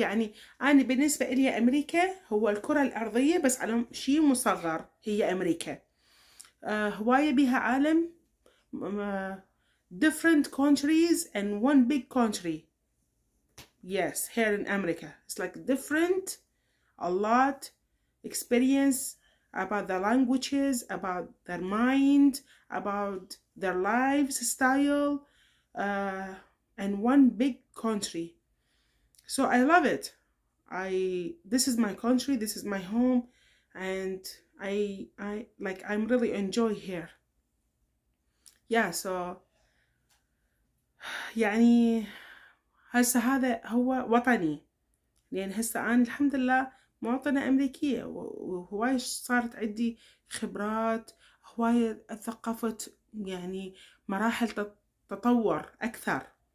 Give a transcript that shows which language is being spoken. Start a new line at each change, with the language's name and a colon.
Arabic: يعني أنا بالنسبة إلي أمريكا هو الكرة الأرضية بس على شيء مصغر، هي أمريكا. هواية بيها عالم
English: different countries and one big country. Yes, here in America. It's like different, a lot experience about the languages, about their mind, about their lives style, and one big country. So I love it. This is my country, this is my home, and I'm really enjoy here. Yeah, so
Arabic: يعني هسه هذا هو وطني، يعني هسه انا الحمد لله مواطنة امريكية، وهواي صارت عندي خبرات، هواي ثقافة، يعني مراحل تطور اكثر.